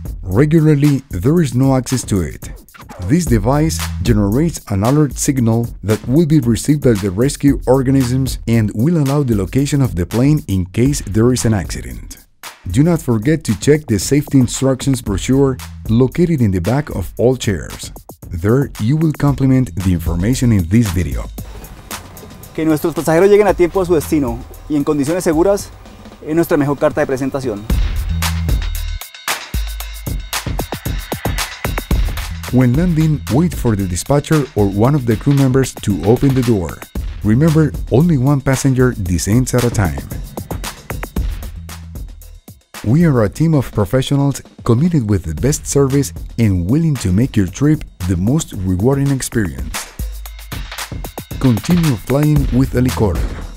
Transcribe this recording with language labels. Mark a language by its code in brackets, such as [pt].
[en] Regularly, there is no access to it. This device generates an alert signal that will be received by the rescue organisms and will allow the location of the plane in case there is an accident. Do not forget to check the safety instructions brochure located in the back of all chairs. There, you will complement the information in this video. [es] Que nuestros pasajeros lleguen a tiempo a su destino y en condiciones seguras es nuestra mejor carta de presentación. [en] When landing, wait for the dispatcher or one of the crew members to open the door. Remember, only one passenger descends at a time. We are a team of professionals committed with the best service and willing to make your trip the most rewarding experience. Continue flying with Helicorp.